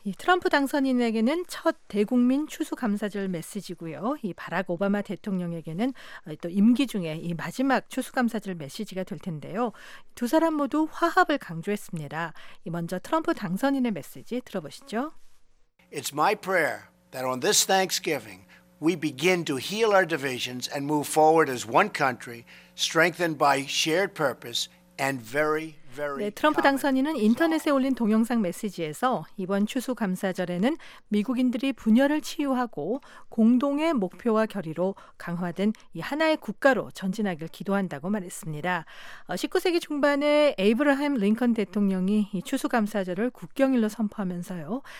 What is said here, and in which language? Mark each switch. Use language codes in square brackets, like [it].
[ko] 이 트럼프 당선인에게는 첫 대국민 추수감사절 메시지고요. 이 바락 오바마 대통령에게는 또 임기 중에 이 마지막 추수감사절 메시지가 될 텐데요. 두 사람 모두 화합을 강조했습니다. 먼저 트럼프 당선인의 메시지 들어보시죠. [en] It's my prayer that on this Thanksgiving we begin to heal our divisions and move forward as one country strengthened by shared purpose. And very, very [ko] 네, 트럼프 당선인은 인터넷에 올린 동영상 메시지에서 이번 추수감사절에는 미국인들이 분열을 치유하고 공동의 목표와 결의로 강화된 이 하나의 국가로 전진하길 기도한다고 말했습니다. 19세기 중반에 에이브라함 링컨 대통령이 이 추수감사절을 국경일로 선포하면서요.